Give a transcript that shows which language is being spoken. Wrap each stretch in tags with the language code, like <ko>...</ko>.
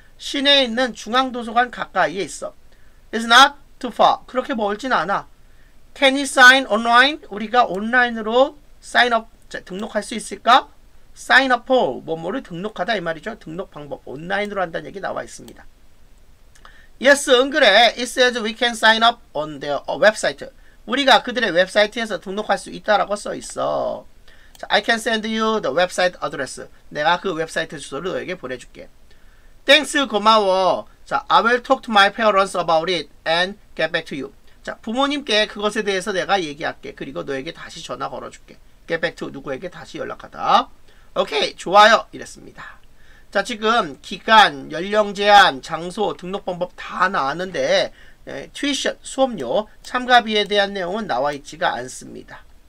<ko>시내에 있는 중앙도서관 가까이에 있어.</ko> <en>It's not too far.</en> <ko>그렇게 멀진 않아.</ko> <en>Can you sign online?</en> <ko>우리가 온라인으로 sign up, 자, 등록할 수 있을까? sign up for, 뭐뭐를 등록하다 이 말이죠. 등록 방법, 온라인으로 한다는 얘기 나와 있습니다.</ko> <en>Yes,</en> <ko>응 그래.</ko> <en>It says we can sign up on their website.</en> <ko>우리가 그들의 웹사이트에서 등록할 수 있다라고 써 있어.</ko> <en>자, I can send you the website address.</en> <ko>내가 그 웹사이트 주소를 너에게 보내줄게.</ko> <en>Thanks,</en> <ko>고마워.</ko> <en>자, I will talk to my parents about it and get back to you.</en> <ko>자, 부모님께 그것에 대해서 내가 얘기할게. 그리고 너에게 다시 전화 걸어줄게.</ko> <en>Get back to</en> <ko>누구에게 다시 연락하다. 오케이, 좋아요. 이랬습니다. 자, 지금 기간, 연령 제한, 장소, 등록 방법 다 나왔는데 tuition, 수업료, 참가비에 대한 내용은 나와있지가 않습니다.</ko>